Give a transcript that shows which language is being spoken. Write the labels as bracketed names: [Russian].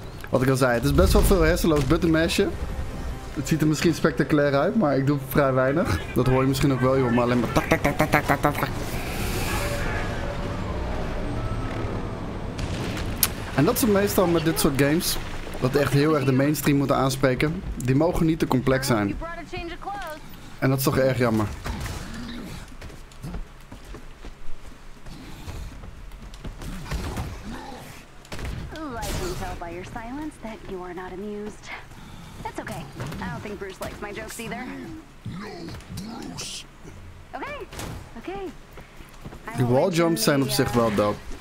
[Dutch] Wat ik al zei, het is best wel veel hersenloos buttermashen. Het ziet er misschien spectaculair uit, maar ik doe vrij weinig. Dat hoor je misschien ook wel, maar alleen maar tak, tak, tak, tak, tak, tak. En dat is het meestal met dit soort games. Dat echt heel erg de mainstream moeten aanspreken. Die mogen niet te complex zijn. En dat is toch erg jammer. [English] I can tell by your silence that you are not amused. That's okay. I don't think Bruce likes my jokes either. Okay. Okay. [Dutch] Die wall jumps zijn op zich wel dope.